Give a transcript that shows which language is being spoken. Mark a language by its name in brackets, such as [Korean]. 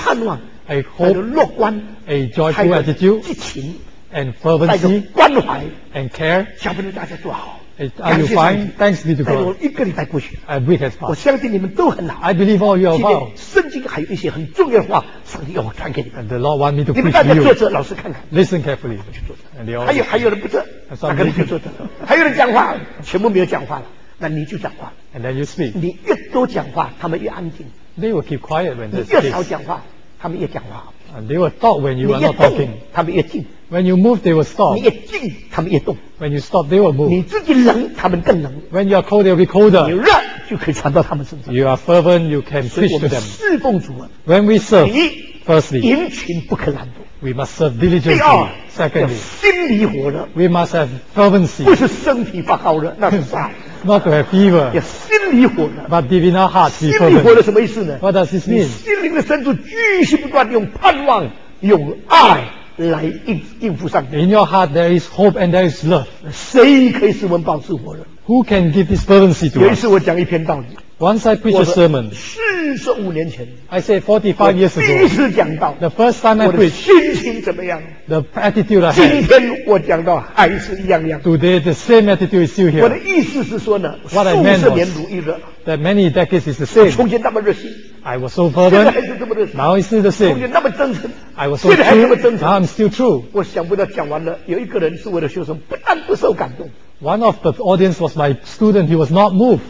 [Chinese] 盼望 [English] ，a hope， [Chinese] 带着乐观 [English] ，a joyful attitude， [Chinese] 激情 [English] ，and fervency， [Chinese] 带着关怀 [English] ，and care。 [Chinese] 小朋友大家做好。 [English] Are you fine? Thanks be to God. [Chinese] 我一个礼拜过去。 [English] A week has passed. [Chinese] 我相信你们都很好。 [English] I believe all you are well. [Chinese] 圣经还有一些很重要的话，上帝要我传给你们。 [English] And the Lord want me to preach to you. [Chinese] 你们大家坐着，老师看看。 [English] Listen carefully. [Chinese] 我去坐着。 [English] And they all. [Chinese] 还有人不坐，哪个人去坐着？还有人讲话，全部没有讲话了，那你就讲话。 [English] And then you speak. [Chinese] 你越多讲话，他们越安静。 [English] They will keep quiet when there's peace. [Chinese] 你越少讲话，他们越讲话。 [English] And they will talk when you are not talking. [Chinese] 他们越静。 [English] When you move, they will stop. [Chinese] 你越静，他们越动。 [English] When you stop, they will move. [Chinese] 你自己冷，他们更冷。 [English] When you are cold, they will be colder. [Chinese] 你热，就可以传到他们身上。 [English] You are fervent, you can preach to them. [Chinese] 侍奉主啊。 [English] When we serve, [Chinese] 第一 [English] firstly, [Chinese] 殷勤不可懒惰。 [English] We must serve diligently. [Chinese] 第二 [English] secondly, [Chinese] 心里火热。 [English] We must have fervency. [Chinese] 不是身体发高热，那是啥？ [English] Not to have fever. [Chinese] 要心里火热。 [English] But deep in our hearts, [Chinese] 心里火热什么意思呢 [English] ？What does this mean? [Chinese] 心灵的深处继续不断用盼望，用爱。来应付上帝。 [English] In your heart there is hope and there is love. [Chinese] 谁可以使我们保持火热？ [English] Who can give this fervency to us? [Chinese] 有一次我讲一篇道理。 [English] Once I preach a sermon. [Chinese] 45年前。 [English] I said 45 years ago. [Chinese] 第一次讲道。 [English] The first time I preached. [Chinese] 心情怎么样？ [English] The attitude I had. [Chinese] 今天我讲到还是一样样。 [English] Today the same attitude is still here. [Chinese] 我的意思是说呢，数十年如一日。 [English] That many decades is the same. [Chinese] 从前那么热心。 [English] I was so fervent. [Chinese] 现在还是这么热心。 [English] Now it's still the same. [Chinese] 从前那么真诚。 [English] I was so true. [Chinese] 现在还这么真诚。 [English] Now I'm still true. [Chinese] 我想不到讲完了，有一个人是我的学生，不但不受感动。 [English] One of the audience was my student. He was not moved.